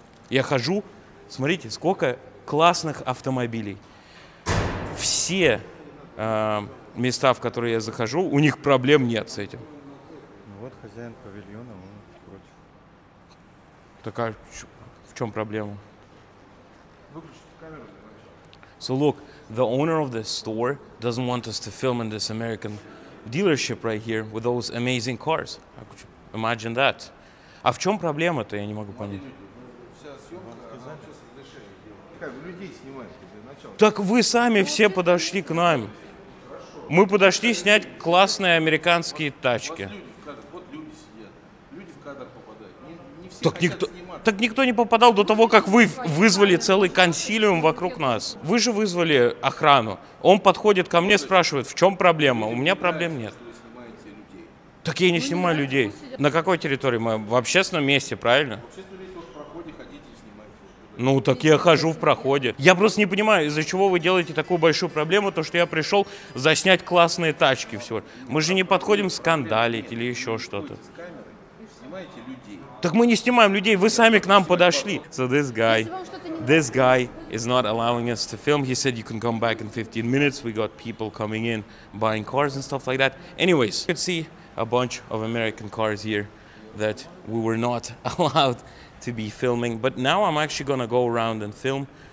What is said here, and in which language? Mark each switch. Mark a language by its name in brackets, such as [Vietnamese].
[Russian] Я хожу, смотрите, сколько классных автомобилей. Все места, в которые я захожу, у них проблем нет с этим. Ну вот хозяин павильона, он против. Так а в чем проблема? Выключите камеру. [English] So look, the owner of this store doesn't want us to film in this American dealership right here with those amazing cars. Imagine that. [Russian] А в чем проблема-то, я не могу понять. Так вы сами все подошли к нам. Мы подошли снять классные американские тачки. Так никто, не попадал до того, как вы вызвали целый консилиум вокруг нас. Вы же вызвали охрану. Он подходит ко мне, спрашивает, в чем проблема? У меня проблем нет. Так я не снимаю людей. На какой территории мы? В общественном месте, правильно? Ну, так я хожу в проходе. Я просто не понимаю, из-за чего вы делаете такую большую проблему, то, что я пришел заснять классные тачки всего. Мы же не подходим скандалить или еще что-то. Так мы не снимаем людей, вы сами к нам подошли. [English] So this guy is not allowing us to film. He said you can come back in 15 minutes. We got people coming in, buying cars and stuff like that. Anyways, you can see a bunch of American cars here that we were not allowed to be filming. But now I'm actually gonna go around and film